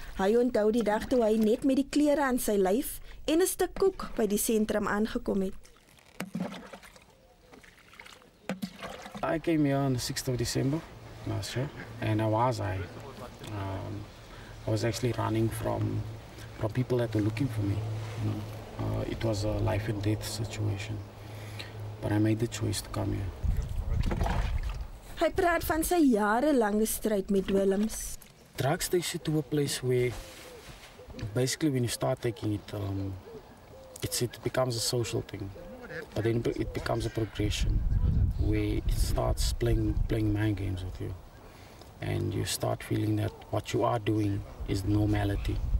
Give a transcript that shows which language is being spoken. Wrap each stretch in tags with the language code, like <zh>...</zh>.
<af>Hy onthou die dag toe hy net met die klere aan sy lyf en 'n stuk koek by die sentrum aangekom het.</af> <en>I came here on the 6th of December last year, and I was actually running from people that were looking for me. It was a life and death situation. But I made the choice to come here.</en> <af>Hy praat van sy jarelange stryd met dwelms.</af> <en>Drugs takes you to a place where basically when you start taking it, it becomes a social thing. But then it becomes a progression where it starts playing mind games with you. And you start feeling that what you are doing is normality.</en>